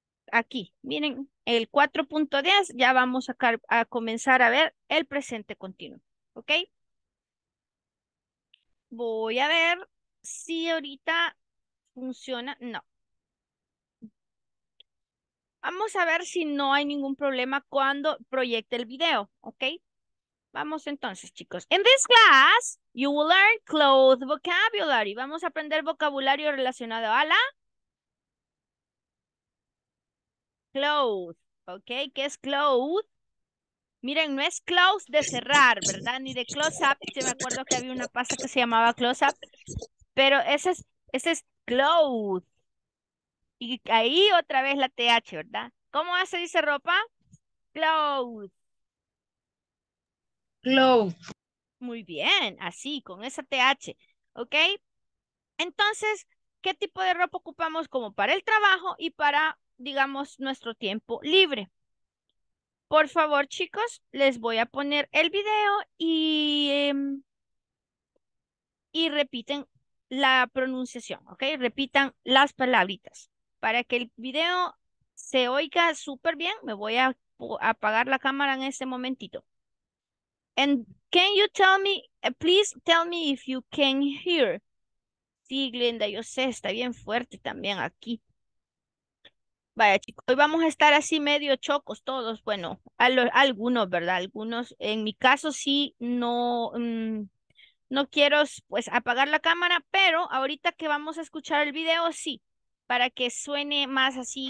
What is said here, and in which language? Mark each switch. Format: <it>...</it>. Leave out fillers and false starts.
<es>Aquí, miren, el 4.10. Ya vamos a comenzar a ver el presente continuo. ¿Ok? Voy a ver si ahorita... funciona, no. Vamos a ver si no hay ningún problema cuando proyecte el video, ¿ok? Vamos entonces, chicos.</es> <en>In this class, you will learn clothes vocabulary.</en> <es>Vamos a aprender vocabulario relacionado a la... clothes, ¿ok? ¿Qué es clothes? Miren, no es close de cerrar, ¿verdad? Ni de close up. Yo me acuerdo que había una pasta que se llamaba close up. Pero ese es clothes. Y ahí otra vez la TH, ¿verdad? ¿Cómo se dice ropa? Clothes. Clothes. Muy bien, así, con esa TH. ¿Ok? Entonces, ¿qué tipo de ropa ocupamos como para el trabajo y para, digamos, nuestro tiempo libre? Por favor, chicos, les voy a poner el video y repiten la pronunciación, ¿ok? Repitan las palabritas. Para que el video se oiga súper bien, me voy a apagar la cámara en este momentito.</es> <en>And can you tell me, please tell me if you can hear.</en> <es>Sí, Glenda, yo sé, está bien fuerte también aquí. Vaya, chicos, hoy vamos a estar así medio chocos todos. Bueno, algunos, ¿verdad? Algunos, en mi caso sí, no... no quiero, pues, apagar la cámara, pero ahorita que vamos a escuchar el video, sí, para que suene más así.</es>